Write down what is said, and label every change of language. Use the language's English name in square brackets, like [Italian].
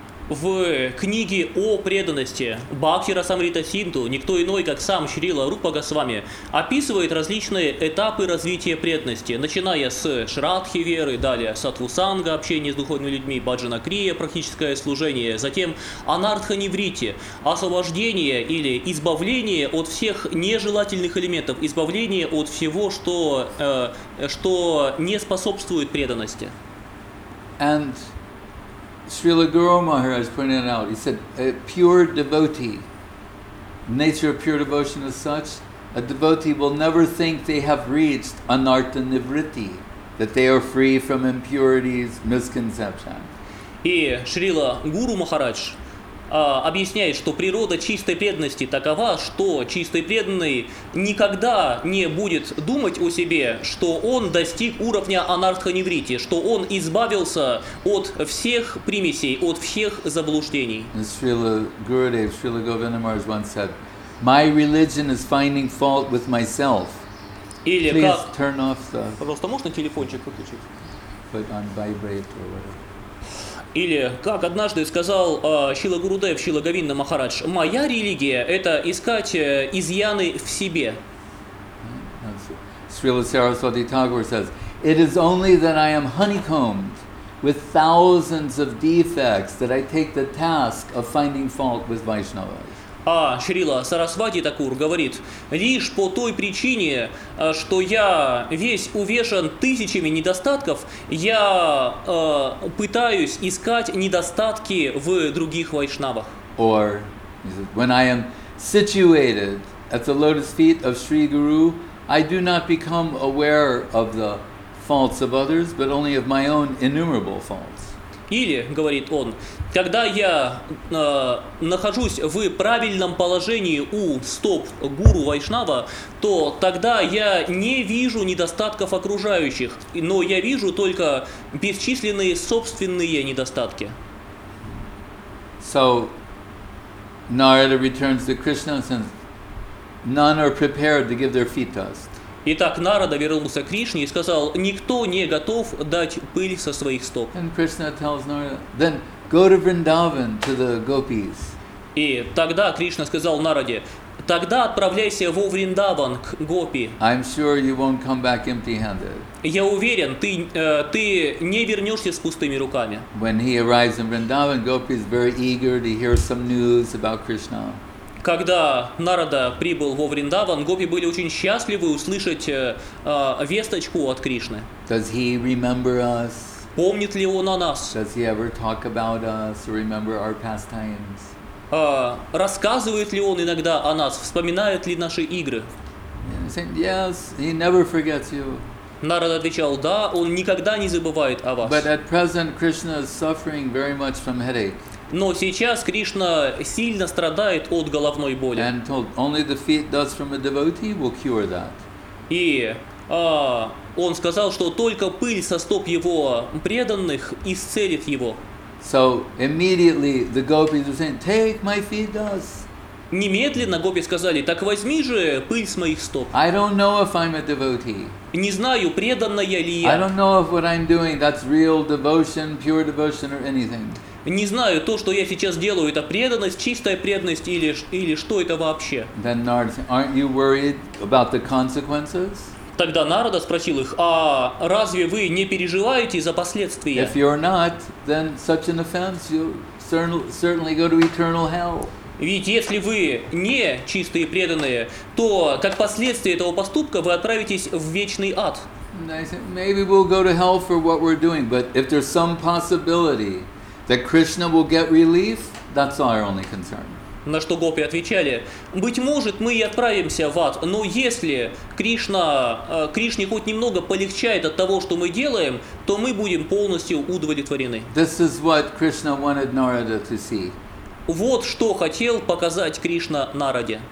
[Russian] В книге о преданности Бхакти Расамрита Синдху никто иной, как сам Шрила Рупа Госвами, описывает различные этапы развития преданности, начиная с Шрадхи веры, далее Сатву Санга, общение с духовными людьми, Баджана Крия, практическое служение, затем Анартха Ниврити, освобождение или избавление от всех нежелательных элементов, избавление от всего, что не способствует преданности. [English] And Srila Guru Maharaj pointed out, he said, a pure devotee, nature of pure devotion is such, a devotee will never think they have reached anartha nivritti, that they are free from impurities, misconception. [Russian] И Шрила Гуру Махарадж объясняет, что природа чистой преданности такова, что чистый преданный никогда не будет думать о себе, что он достиг уровня анартха нивритти, что он избавился от всех примесей, от всех заблуждений. [English] Srila Gurudev, Srila Govinda Maharaj once said, my religion is finding fault with myself. [Russian] Или [English] please [Russian] как... [English] turn off the... [Russian] Пожалуйста, можно телефончик выключить? [English] Put on vibrate or whatever. [Russian] Или, как однажды сказал Шрила Гурудев, Шрила Говинда Махарадж, моя религия – это искать изъяны в себе. [English] Srila Saraswati Thakur says, it is only that I am honeycombed with thousands of defects that I take the task of finding fault with Vaishnavas. [Russian] А Шрила Сарасвати Такур говорит, лишь по той причине, что я весь увешан тысячами недостатков, я пытаюсь искать недостатки в других вайшнавах. [English] Or, when I am situated at the lotus feet of Sri Guru, I do not become aware of the faults of others, but only of my own innumerable faults. [Russian] Или, говорит он, когда я нахожусь в правильном положении у стоп гуру Вайшнава, то тогда я не вижу недостатков окружающих, но я вижу только бесчисленные собственные недостатки. [English] So, Narada returns to Krishna and none are prepared to give their feet dust. [Russian] Итак, Нарада вернулся к Кришне и сказал, никто не готов дать пыль со своих стоп. [English] And Krishna tells Narada, then go to Vrindavan, to the gopis. [Russian] И тогда Кришна сказал Нараде: тогда отправляйся во Вриндаван к Гопи. [English] I'm sure you won't come back empty-handed. [Russian] Я уверен, ты не вернешься с пустыми руками. [English] When he arrives in Vrindavan, Gopi is very eager to hear some news about Krishna. [Russian] Когда Нарада прибыл во Вриндаван, гопи были очень счастливы услышать весточку от Кришны. [English] Does he remember us? [Russian] Помнит ли он о нас? [English] Does he ever talk about us or remember our pastimes? [Russian] Рассказывает ли он иногда о нас, вспоминает ли наши игры? [English] Yes, he never forgets you. [Russian] Нарада отвечал: да, он никогда не забывает о вас. [English] But at present Krishna is suffering very much from headache. [Russian] Но сейчас Кришна сильно страдает от головной боли. [English] And told, only the feet dust from a devotee will cure that. [Russian] И он сказал, что только пыль со стоп его преданных исцелит его. [English] So immediately the gopis were saying, take my feet dust. [Russian] Немедленно гопи сказали: так возьми же пыль с моих стоп. [English] I don't know if I'm a devotee. [Russian] Не знаю, преданная ли я. [English] I don't know if what I'm doing, that's real devotion, pure devotion or anything. [Russian] Не знаю, то, что я сейчас делаю, это преданность, чистая преданность или что это вообще. [English] Then Narada, aren't you worried about the consequences? [Russian] Тогда Нарада спросил их: а разве вы не переживаете за последствия? [English] If you're not, then such an offense, you certainly go to eternal hell. [Russian] Ведь если вы не чистые преданные, то как последствия этого поступка вы отправитесь в вечный ад. [English] I said, maybe we'll go to hell for what we're doing, but if there's some possibility that Krishna will get relief, that's our only concern. [Russian] На что гопи отвечали: быть может, мы и отправимся в ад, но если Кришне хоть немного полегчает от того, что мы делаем, то мы будем полностью удовлетворены. [English] This is what Krishna wanted Narada to see. [Russian] Вот что хотел показать Кришна Нараде.